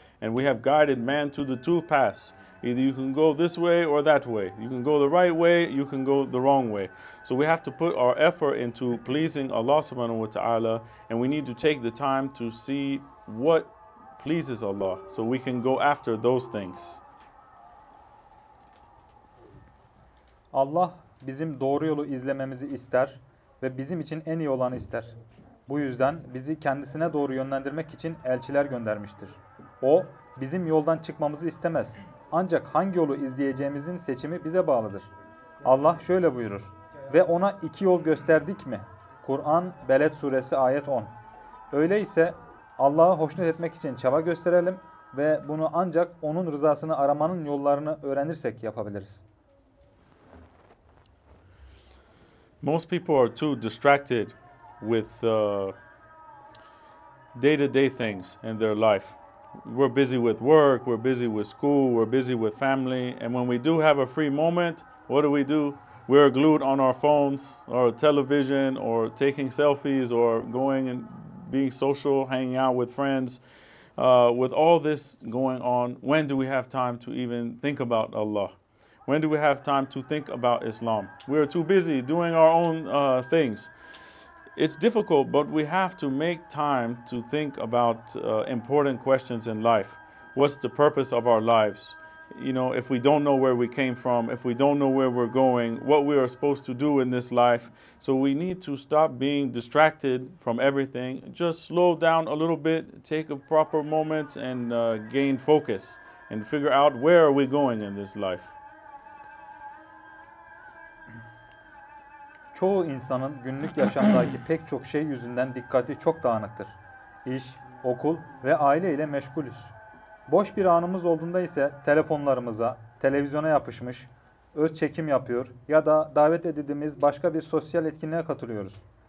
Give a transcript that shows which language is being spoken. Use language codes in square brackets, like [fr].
[en] And we have guided man to the two paths. Either you can go this way or that way. You can go the right way, you can go the wrong way. So we have to put our effort into pleasing Allah subhanahu wa ta'ala, and we need to take the time to see what pleases Allah so we can go after those things. [tr] Allah bizim doğru yolu izlememizi ister ve bizim için en iyi olanı ister. Bu yüzden bizi kendisine doğru yönlendirmek için elçiler göndermiştir. O bizim yoldan çıkmamızı istemez. Ancak hangi yolu izleyeceğimizin seçimi bize bağlıdır. Allah şöyle buyurur. Ve ona iki yol gösterdik mi? Kur'an Beled Suresi ayet 10. Öyleyse Allah'ı hoşnut etmek için çaba gösterelim ve bunu ancak onun rızasını aramanın yollarını öğrenirsek yapabiliriz. [en] Most people are too distracted with day-to-day things in their life. We're busy with work, we're busy with school, we're busy with family. And when we do have a free moment, what do? We're glued on our phones or television or taking selfies or going and being social, hanging out with friends. With all this going on, when do we have time to even think about Allah? When do we have time to think about Islam? We are too busy doing our own things. It's difficult, but we have to make time to think about important questions in life. What's the purpose of our lives? You know, if we don't know where we came from, if we don't know where we're going, what we are supposed to do in this life. So we need to stop being distracted from everything. Just slow down a little bit, take a proper moment and gain focus and figure out where are we going in this life. [tr] Çoğu insanın günlük yaşamdaki pek çok şey yüzünden dikkati çok dağınıktır. İş, okul ve aile ile meşgulüz. Boş bir anımız olduğunda ise telefonlarımıza, televizyona yapışmış, öz çekim yapıyor ya da davet edildiğimiz başka bir sosyal etkinliğe katılıyoruz.